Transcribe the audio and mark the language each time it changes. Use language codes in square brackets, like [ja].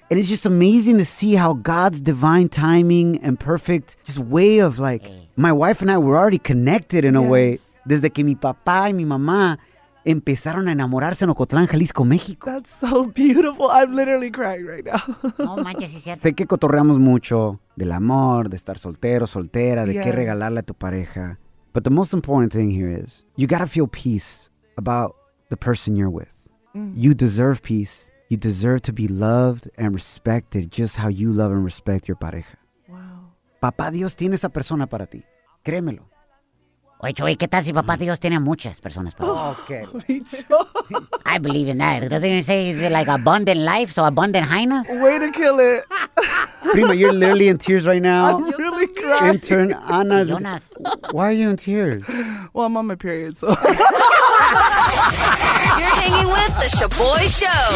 [en] And it's just amazing to see how God's divine timing and perfect just way of like, my wife and I were already connected in a way. [es] Desde que mi papá y mi mamá empezaron a enamorarse en Ocotlán, Jalisco, México. [en] That's so beautiful. I'm literally crying right now. [es] No manches, es cierto. Sé que cotorreamos mucho del amor, de estar soltero, soltera, de qué regalarle a tu pareja. [en] But the most important thing here is, you gotta feel peace about the person you're with. You deserve peace. You deserve to be loved and respected just how you love and respect your pareja. [es] Wow. Papá Dios tiene esa persona para ti. Créemelo. Oye, Choy, ¿qué tal si papá Dios tiene muchas personas para ti? [en] Okay. I believe in that. Doesn't it say it's like abundant life, so abundant highness? Way to kill it. Prima, you're literally in tears right now. I'm really crying. Intern Ana's... Jonas. Why are you in tears? Well, I'm on my period, so... You're hanging with the Shaboy Show.